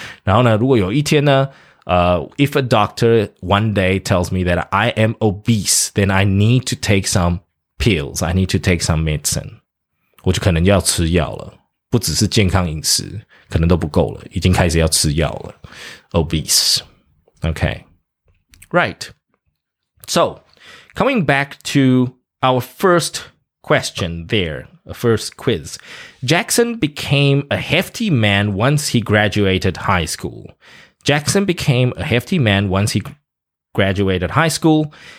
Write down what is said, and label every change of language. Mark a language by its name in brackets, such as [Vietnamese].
[Chinese] 然后呢，如果有一天呢， [English] if a doctor one day tells me that I am obese, then I need to take some pills. I need to take some medicine. [Chinese] 我就可能要吃药了，不只是健康饮食，可能都不够了，已经开始要吃药了。 [English] Obese. Okay. Right. So, coming back to our first question there, a first quiz. Jackson became a hefty man once he graduated high school. Jackson became a hefty man once he graduated high school.